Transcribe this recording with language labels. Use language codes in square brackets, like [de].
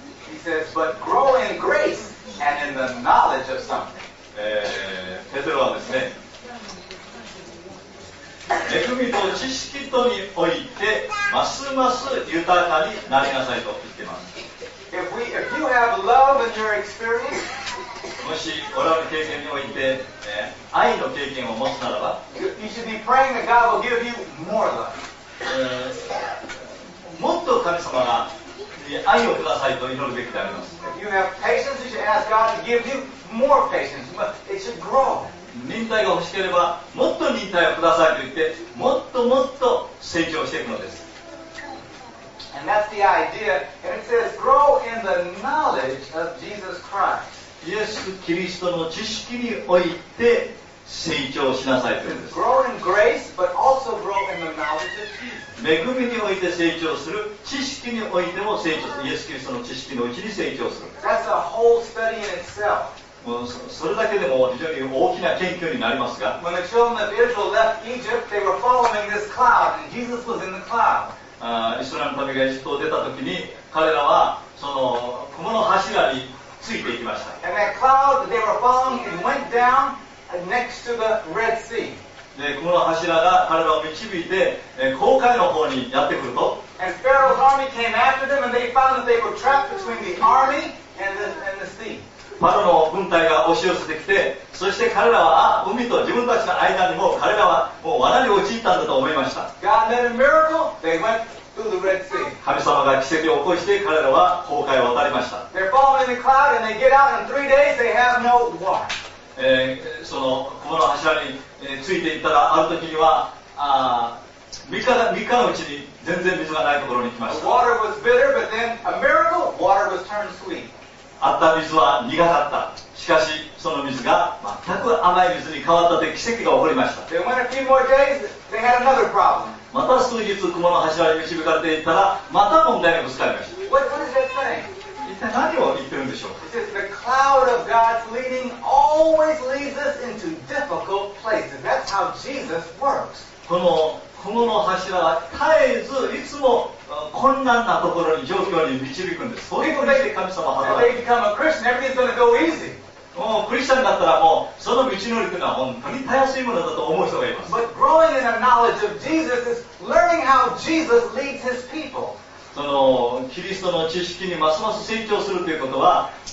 [en] He says, but grow in grace and in the knowledge of something. [ja] ペトロはですね、恵みと知識とにおいてますます豊かになりなさいと言っています。 [en] if you have love in your experience, [ja] もしおられる経験において、愛の経験を持つならば、 [en] you should be praying that God will give you more love. [ja] もっと神様が愛をくださいと祈るべきであります。 [en] if you have patience, you should ask God to give you more patience, but it should grow. [ja] 忍耐が欲しければもっと忍耐をくださいと言って、もっともっと成長していくのです。 [en] And that's the idea. And it says, grow in the knowledge of Jesus Christ. [ja] イエス・キリストの知識において成長しなさいと言うんです。 [en] Grow in grace, but also grow in the knowledge of Jesus. [ja] 恵みにおいて成長する、知識においても成長する、イエス・キリストの知識のうちに成長する。 [en] That's a whole study in itself. [ja] それだけでも非常に大きな研究になりますが、 [en] When the children of Israel left Egypt, they were following this cloud, and Jesus was in the cloud. [ja] イスラエルの民がエジプトを出た時に、彼らはその雲の柱についていきました。 [en] And that cloud they were following and went down next to the Red Sea. [ja] で、雲の柱が彼らを導いて、紅海の方にやってくると、 [en] And Pharaoh's army came after them, and they found that they were trapped between the army and the sea. [ja] パロの軍隊が押し寄せてきて、そして彼らは海と自分たちの間にも彼らはもう罠に陥ったんだと思いました。 [en] God made a miracle. They went through the Red Sea. [ja] 神様が奇跡を起こして彼らは紅海を渡りました。 [en] They're falling in the cloud and they get out in three days. They have no water. [ja] その雲の柱についていったら、ある時には3日のうちに全然水がないところに来ました。 [en] The water was bitter, but then a miracle, water was turned sweet. [ja] あった水は苦かった。しかしその水が全く甘い水に変わったという奇跡が起こりました。 [en] They went a few more days, they had another problem. [ja] また数日雲の柱に導かれていったら、また問題がぶつかりました。 [en] What is that saying? [ja] 一体何を言ってるんでしょう。 [en] It says the cloud of God's leading always leads us into difficult places. That's how Jesus works. [ja] この雲の柱は絶えずいつも困難なところに状況に導くんです。そういうふうにして神様は働く。 [en] They become a Christian, everything's going to go easy. [ja] もうクリスチャンだったらもうその道のりというのは本当にたやすいものだと思う人がいます。 [en] But growing in a knowledge of Jesus is learning how Jesus leads his people. [ja] そのキリストの知識にますます成長するということは、